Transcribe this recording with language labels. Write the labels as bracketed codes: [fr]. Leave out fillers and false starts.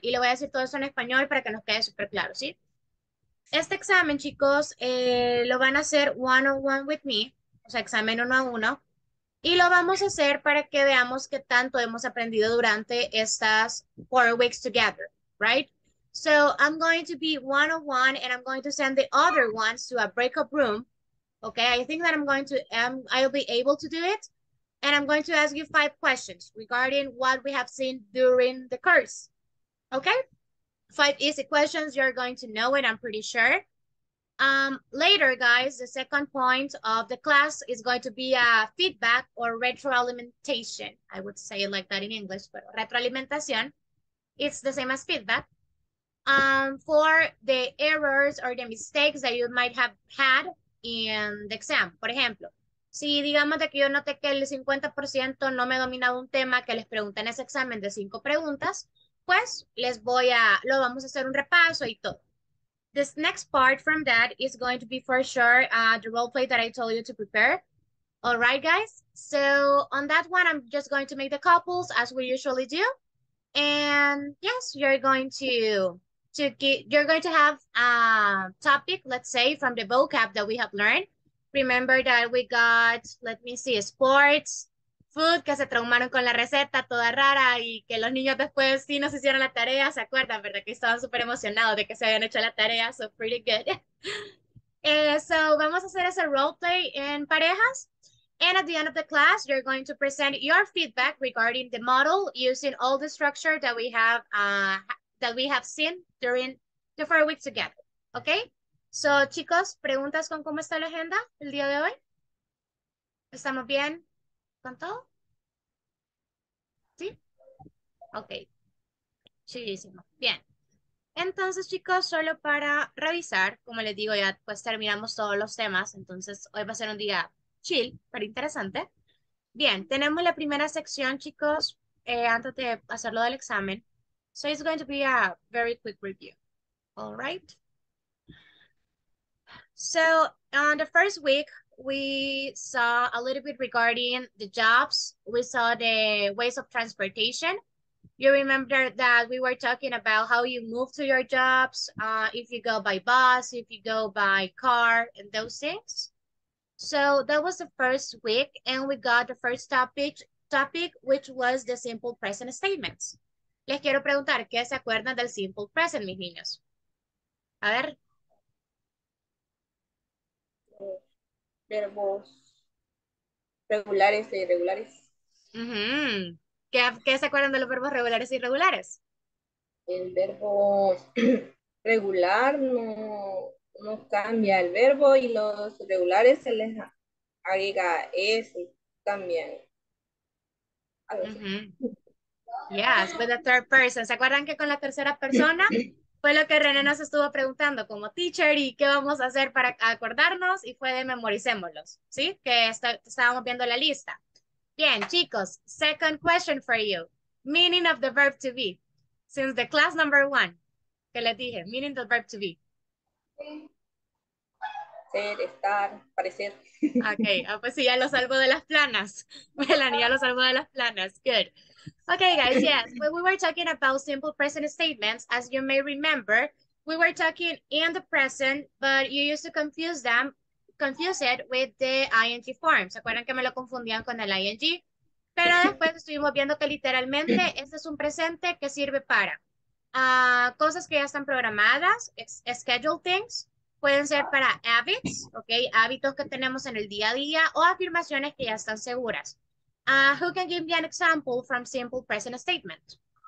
[es] Y le voy a decir todo eso en español para que nos quede súper claro, ¿sí? Este examen, chicos, lo van a hacer [en] 101 with me, [es] o sea, examen 1-1. Y lo vamos a hacer para que veamos qué tanto hemos aprendido durante estas [en] 4 weeks together, right? So I'm going to be 101 and I'm going to send the other ones to a breakout room. Okay, I think that I'll be able to do it. And I'm going to ask you 5 questions regarding what we have seen during the course. Okay? 5 easy questions you're going to know it, I'm pretty sure. Later, guys, the second point of the class is going to be a feedback or retroalimentation. I would say it like that in English, but retroalimentación. It's the same as feedback. For the errors or the mistakes that you might have had in the exam. [es] Por ejemplo, si digamos de que yo noté que el 50% no me ha dominado un tema que les pregunté en ese examen de 5 preguntas, pues lo vamos a hacer un repaso y todo. [en] This next part from that is going to be for sure the role play that I told you to prepare. All right, guys. So on that one, I'm just going to make the couples as we usually do. And yes, you're going to have a topic, let's say, from the vocab that we have learned. Remember that we got, let me see, sports, food, [es] que se traumaron con la receta toda rara y que los niños después sí nos hicieron la tarea, ¿se acuerdan, verdad? Que estaban súper emocionados de que se habían hecho la tarea, [en] so pretty good. [es] So vamos a hacer ese roleplay en parejas. [en] And at the end of the class, you're going to present your feedback regarding the model using all the structure that we have seen during the 4 weeks together. Okay? [es] So, chicos, ¿preguntas con cómo está la agenda el día de hoy? ¿Estamos bien con todo? ¿Sí? Ok. Chidísimo. Bien. Entonces, chicos, solo para revisar, como les digo, ya pues terminamos todos los temas, entonces hoy va a ser un día chill, pero interesante. Bien, tenemos la primera sección, chicos, antes de hacerlo del examen. [en] So it's going to be a very quick review. All right. So on the first week, we saw a little bit regarding the jobs. We saw the ways of transportation. You remember that we were talking about how you move to your jobs, if you go by bus, if you go by car, and those things. So that was the first week, and we got the first topic, which was the simple present statements. [es] Les quiero preguntar, ¿qué se acuerdan del simple present, mis niños? A ver. Verbos regulares e irregulares. ¿Qué se acuerdan de los verbos regulares e irregulares? El verbo regular no cambia el verbo y los regulares se les agrega ese también. Algo así. [en] Yes, with the third person. [es] ¿Se acuerdan que con la tercera persona fue lo que René nos estuvo preguntando como teacher y qué vamos a hacer para acordarnos? Y fue de memoricémoslos, ¿sí? Que estábamos viendo la lista. Bien, chicos, [en] second question for you. Meaning of the verb to be. Since the class number one, [es] que les dije, [en] meaning of the [es] Ser, estar, parecer. [en] verb to be. [es] Ok, pues sí, ya lo salvo de las planas. Melanie, ya lo salvo de las planas. [en] Good. Okay, guys, yes. When we were talking about simple present statements, as you may remember, we were talking in the present, but you used to confuse it with the ing form. [es] ¿Se acuerdan que me lo confundían con el ing? Pero después estuvimos viendo que literalmente este es un presente que sirve para cosas que ya están programadas, [en] schedule things, [es] pueden ser para habits, okay, hábitos que tenemos en el día a día o afirmaciones que ya están seguras. [en] Who can give me an example from simple present statement?